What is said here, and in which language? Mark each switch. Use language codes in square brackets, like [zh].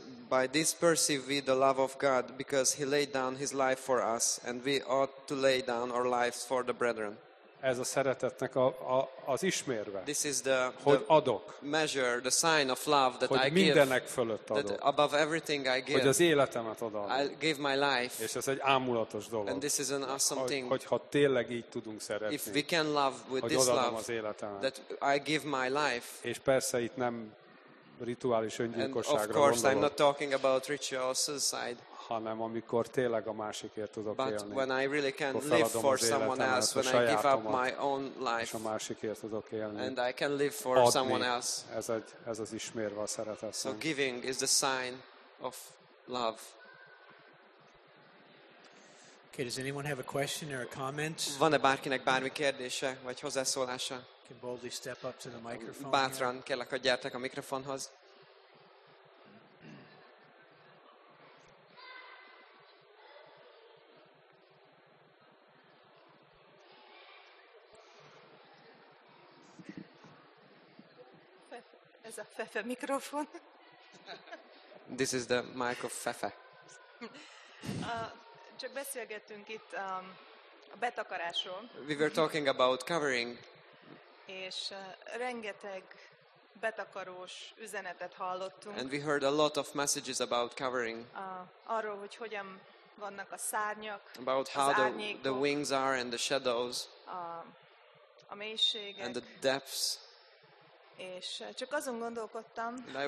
[en] By this perceive we the love of God, because he laid down his life for us, and we ought to lay down our lives for the brethren. [hu] Ez a szeretetnek az ismérve. [en] This is the, [hu] hogy [en] the [hu] adok. [en] Measure, the sign of love that [hu] hogy [en] I give. [hu] Hogy mindenek fölött adok. [en] Above everything I give. [hu] Hogy az életemet oda. [en] I give my life. [hu] És ez egy ámulatos dolog. [en] And this is an awesome thing. [hu] Hogyha tényleg így tudunk szeretni. [en] If we can love with this love. [hu] Az életemet. [en] That I give my life. [hu] És persze itt nem rituális öngyilkosságra gondolok. [en] Of course I'm not talking about ritual suicide. [hu] Hanem amikor tényleg a másikért tudok [en] but [hu] élni. [en] But when I really can live for someone else, when I give up my own life, [hu] és a másikért tudok élni. [en] And I can live for [hu] adni. [en] Someone else. [hu] Ez az ismérve a szeretet. [en] So giving is the sign of love. Okay, does anyone have a question or a comment? [hu] Van-e bárkinek bármi kérdése vagy hozzászólása? [en] Can boldly step up to the microphone. [hu] Bátran kérlek, hogy gyertek a mikrofonhoz. Ez a Fefe mikrofon. [en] This is the mic of Fefe. [hu] Csak beszélgettünk itt a betakarásról. [en] We were talking about covering. [hu] És rengeteg betakarós üzenetet hallottunk. [en] And we heard a lot of messages about covering. [hu] Arról, hogy hogyan vannak a szárnyak, [en] about how the wings are and the shadows. [hu] A mélységek. [en] And the depths. [hu] És csak azon gondolkodtam,